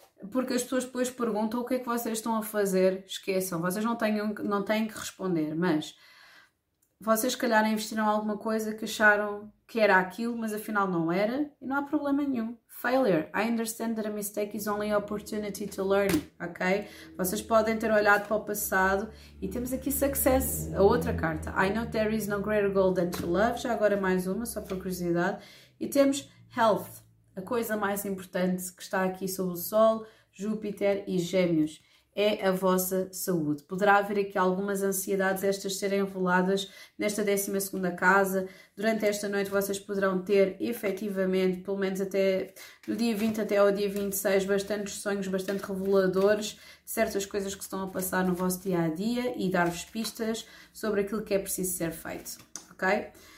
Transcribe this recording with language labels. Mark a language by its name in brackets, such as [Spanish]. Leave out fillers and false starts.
[Portuguese] Porque as pessoas depois perguntam o que é que vocês estão a fazer, esqueçam, vocês não têm que responder, mas vocês se calhar investiram alguma coisa que acharam que era aquilo, mas afinal não era e não há problema nenhum. Failure. [English] I understand that a mistake is only opportunity to learn, ok? [Portuguese] Vocês podem ter olhado para o passado e temos aqui success, a outra carta. [English] I know there is no greater goal than to love. [Portuguese] Já agora mais uma, só por curiosidade. E temos health, a coisa mais importante que está aqui sob o Sol, Júpiter e Gêmeos. É a vossa saúde. Poderá haver aqui algumas ansiedades estas serem reveladas nesta 12ª casa. Durante esta noite vocês poderão ter efetivamente, pelo menos até no dia 20 até ao dia 26, bastantes sonhos bastante reveladores, certas coisas que estão a passar no vosso dia a dia e dar-vos pistas sobre aquilo que é preciso ser feito, ok?